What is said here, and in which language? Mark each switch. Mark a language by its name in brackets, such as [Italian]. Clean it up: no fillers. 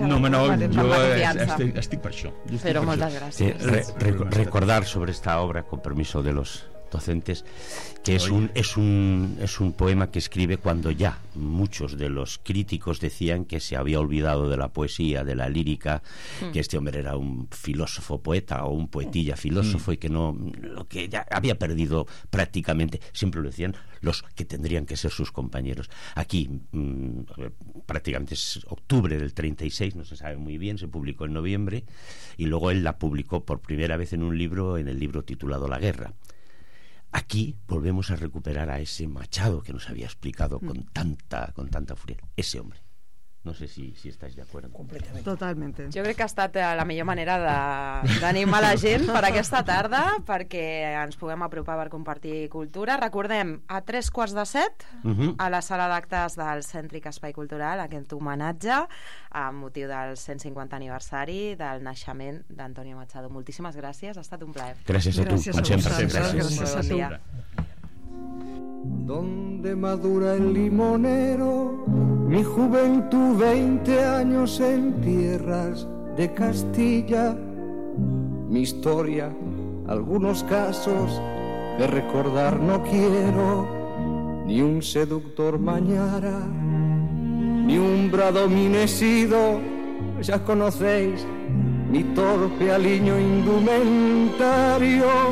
[Catalan] No, no, no, jo estic per això. Però moltes gràcies. [Spanish] Recordar sobre esta obra, con permiso de los docentes, que es un poema que escribe cuando ya muchos de los críticos decían que se había olvidado de la poesía, de la lírica, que este hombre era un filósofo poeta o un poetilla filósofo y que no, lo que ya había perdido prácticamente, siempre lo decían los que tendrían que ser sus compañeros. Aquí prácticamente es octubre del 36, no se sabe muy bien, se publicó en noviembre, y luego él la publicó por primera vez en un libro, en el libro titulado La Guerra. Aquí volvemos a recuperar a ese Machado que nos había explicado con tanta furia. Ese hombre. No sé si estáis de acuerdo. Completamente. Totalmente. [Catalan] Jo crec que ha estat la millor manera d'animar la gent per aquesta tarda, perquè ens puguem apropar per compartir cultura. Recordem, a 6:45, a la sala d'actes del Cèntric Espai Cultural, aquest homenatge amb motiu del 150 aniversari del naixement d'Antonio Machado. Moltíssimes gràcies, ha estat un plaer. Gràcies a tu, com sempre. Gràcies. Bon dia. [Spanish] Donde madura el limonero, mi juventud 20 años en tierras de Castilla, mi historia, algunos casos de recordar no quiero, ni un seductor mañara, ni un brado minecido, ya conocéis mi torpe aliño indumentario.